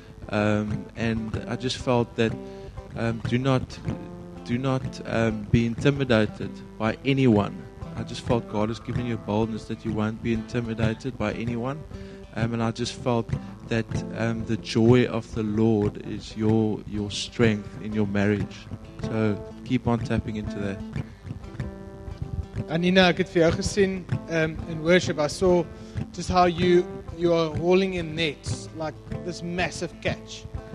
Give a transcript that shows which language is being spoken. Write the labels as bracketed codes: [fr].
[en] And I just felt that do not be intimidated by anyone. I just felt God has given you boldness that you won't be intimidated by anyone. And I just felt that the joy of the Lord is your strength in your marriage. So keep on tapping into that. [af] Anina, ek het vir jou gesien in worship. [en] I saw just how you are hauling in nets, like this massive catch.